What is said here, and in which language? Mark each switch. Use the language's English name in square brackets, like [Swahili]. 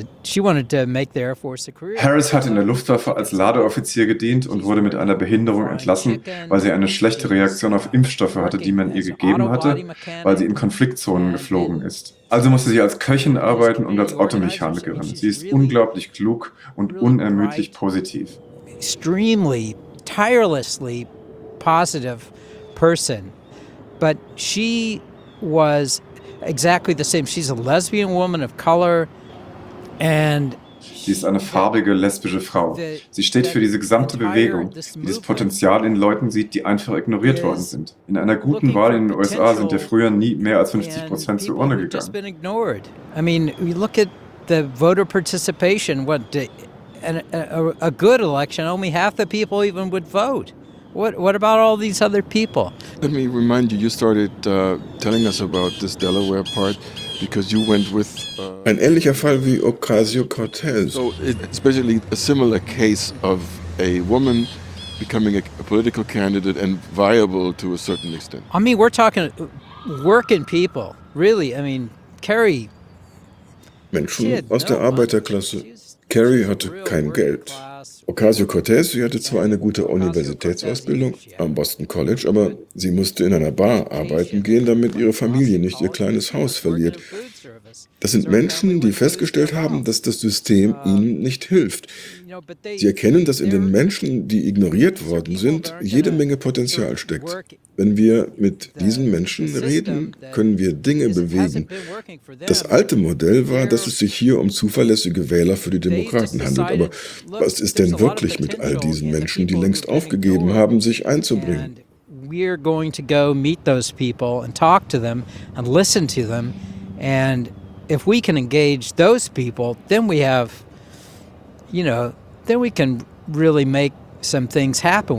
[German] Harris hat in der Luftwaffe als Ladeoffizier gedient und wurde mit einer Behinderung entlassen, weil sie eine schlechte Reaktion auf Impfstoffe hatte, die man ihr gegeben hatte, weil sie in Konfliktzonen geflogen ist. Also musste sie als Köchin arbeiten und als Automechanikerin. Sie ist unglaublich klug und unermüdlich positiv. [English] Extremely, tirelessly positive person. But she was exactly the same. She's a lesbian woman of color. [German] Sie ist eine farbige, lesbische Frau. Sie steht für diese gesamte Bewegung, die das Potenzial in Leuten sieht, die einfach ignoriert worden sind. In einer guten Wahl in den USA sind ja früher nie mehr als 50% zur Urne gegangen. [English] I mean, you look at the voter participation, what a good election, only half the people even would vote. What about all these other people? Let me remind you, you started telling us about this Delaware part because you went with [German] ein ähnlicher Fall wie Ocasio-Cortez. [English] So it's basically a similar case of a woman becoming a political candidate and viable to a certain extent. I mean, we're talking working people, really. I mean, Carrie, [German] Menschen aus der Arbeiterklasse. Carrie hatte kein Geld. Ocasio-Cortez, sie hatte zwar eine gute Universitätsausbildung am Boston College, aber sie musste in einer Bar arbeiten gehen, damit ihre Familie nicht ihr kleines Haus verliert. Das sind Menschen, die festgestellt haben, dass das System ihnen nicht hilft. Sie erkennen, dass in den Menschen, die ignoriert worden sind, jede Menge Potenzial steckt. Wenn wir mit diesen Menschen reden, können wir Dinge bewegen. Das alte Modell war, dass es sich hier um zuverlässige Wähler für die Demokraten handelt. Aber was ist denn wirklich mit all diesen Menschen, die längst aufgegeben haben, sich einzubringen? Wir gehen zu diesen Menschen und sprechen mit ihnen und hören sie. Und wenn wir diese Menschen engagieren, dann haben wir. [English] You know, then we can really make some things happen.